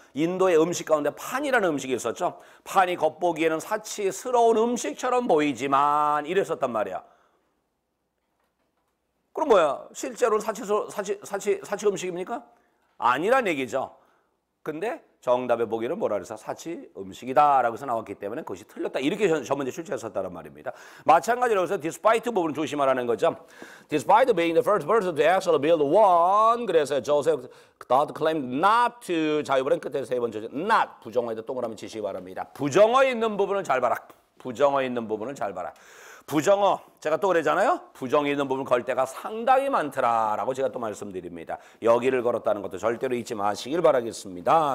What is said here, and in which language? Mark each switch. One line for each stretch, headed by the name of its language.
Korean: 인도의 음식 가운데 판이라는 음식이 있었죠? 판이 겉보기에는 사치스러운 음식처럼 보이지만 이랬었단 말이야. 그럼 뭐야? 실제로는 사치 음식입니까? 아니란 얘기죠. 근데 정답의 보기는 뭐라 그래서 사치 음식이다라고 해서 나왔기 때문에 그것이 틀렸다. 이렇게 저 문제 출제했었다는 말입니다. 마찬가지로 여기서 despite 부분 조심하라는 거죠.
English: Despite being the first person to actually build one.
Korean: 그래서
English: Joseph Dodd claimed not to.
Korean: 자, 이번엔 끝에 세 번째 not. 부정어에다 동그라미 치시기 바랍니다. 부정어 있는 부분을 잘 봐라. 부정어 있는 부분을 잘 봐라. 부정어, 제가 또 그랬잖아요. 부정이 있는 부분 걸 때가 상당히 많더라라고 제가 또 말씀드립니다. 여기를 걸었다는 것도 절대로 잊지 마시길 바라겠습니다.